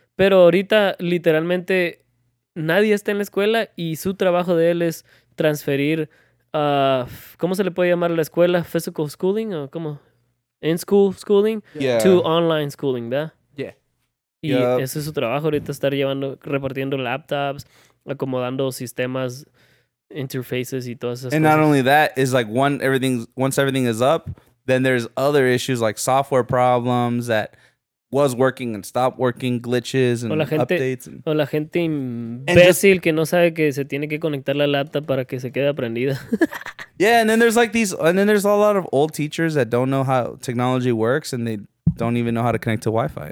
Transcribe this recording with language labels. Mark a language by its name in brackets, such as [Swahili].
[Spanish] Pero ahorita, literalmente, nadie está en la escuela y su trabajo de él es transferir, ¿cómo se le puede llamar a la escuela? [English] ¿Physical schooling [Spanish] o cómo? [English] in school schooling yeah. to online schooling, [Spanish] ¿verdad? [English] Yeah. [Spanish] Y yep. ese es su trabajo ahorita, estar llevando, repartiendo laptops, acomodando sistemas, interfaces y todas esas and cosas. [English] Not only that, it's like once everything is up, then there's other issues like software problems that was working and stopped working, glitches and updates. [Spanish] O la gente imbécil que no sabe que se tiene que conectar la laptop para que se quede prendida. [English] Yeah, and then there's like these, and then there's a lot of old teachers that don't know how technology works and they don't even know how to connect to Wi-Fi.